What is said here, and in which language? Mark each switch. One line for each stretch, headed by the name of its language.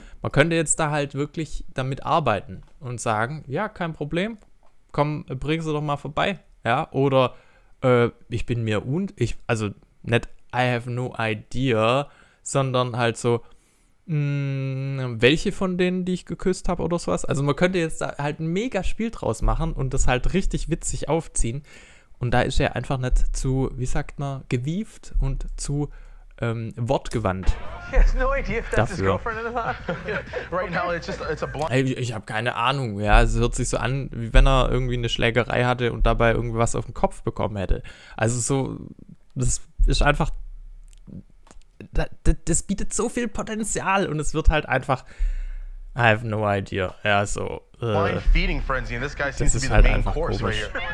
German: Man könnte jetzt da halt wirklich damit arbeiten und sagen, ja, kein Problem, komm, bring sie doch mal vorbei, ja, oder ich bin mir also nicht
English: I have no idea,
German: sondern halt so, welche von denen, die ich geküsst habe oder sowas, also man könnte jetzt da halt ein mega Spiel draus machen und das halt richtig witzig aufziehen und da ist er einfach nicht zu, wie sagt man, gewieft und zu, wortgewandt.
English: He has no idea if that's his girlfriend or not. Right now it's just a blonde.
German: Ey, ich habe keine Ahnung, ja, es hört sich so an, wie wenn er irgendwie eine Schlägerei hatte und dabei irgendwas auf den Kopf bekommen hätte. Also so, das ist einfach, das bietet so viel Potenzial und es wird halt einfach,
English: I have no idea.
German: Ja, so.
English: Blind feeding frenzy and this guy seems to be the main course right here.